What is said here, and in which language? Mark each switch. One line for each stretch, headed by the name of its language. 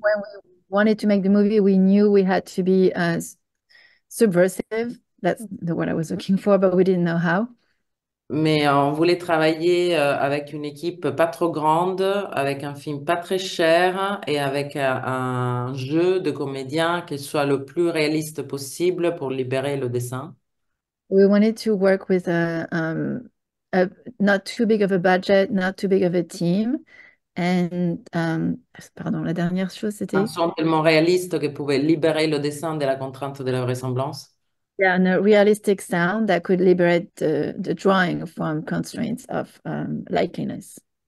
English: When we wanted to make the movie, we knew we had to be subversive. That's the word I was looking for, but we didn't know how.
French: Mais on voulait travailler avec une équipe pas trop grande, avec un film pas très cher et avec un jeu de comédien qui soit le plus réaliste possible pour libérer le dessin.
English: We wanted to work with a not too big of a budget, not too big of a team.
French: And, pardon, la dernière chose, Un c'était. son tellement réaliste qu'il pouvait libérer le dessin de la contrainte de la vraisemblance.
English: Yeah, and a realistic sound that could liberate the drawing from constraints of likeliness.